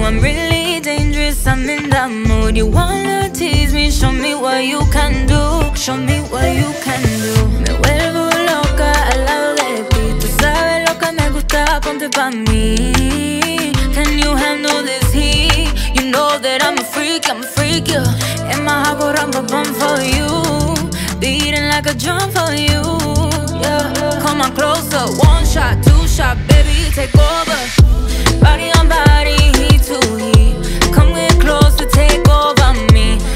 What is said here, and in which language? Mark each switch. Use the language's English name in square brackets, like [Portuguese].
[English] I'm really dangerous, I'm in that mood. You wanna tease me, show me what you can do. Show me what you can do. [Spanish] Me vuelvo loca al lado de ti. Tú sabes lo que me gusta, ponte pa' mí. [English] Can you handle this heat? You know that I'm a freak, yeah. And my heart go rum bum bum for you. Beating like a drum for you, yeah. Come on closer, one shot, two shot, baby, take over. Body on body, heat to heat. Come get closer, take over me.